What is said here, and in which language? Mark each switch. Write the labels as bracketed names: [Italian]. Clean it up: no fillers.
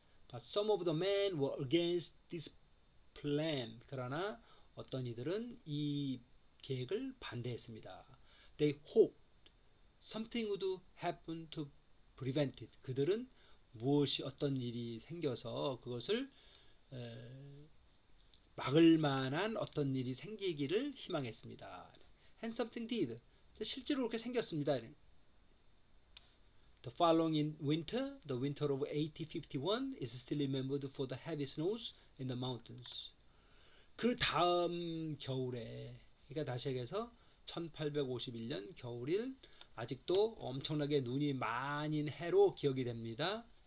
[English] But some of the men were against this plan. [Korean] 그러나 어떤 이들은 이 계획을 반대했습니다. [English] They hoped something would happen to prevent it. [Korean] 그들은 무엇이 어떤 일이 생겨서 그것을 막을 만한 어떤 일이 생기기를 희망했습니다. [English] And something did. [Korean] 실제로 그렇게 생겼습니다. [English] The following winter, the winter of 1851, is still remembered for the heavy snows in the mountains. [Korean] 그 다음 겨울에 그러니까 다시 얘기해서 1851년 겨울일 아직도 엄청나게 눈이 많이 낸 해로 기억이 됩니다.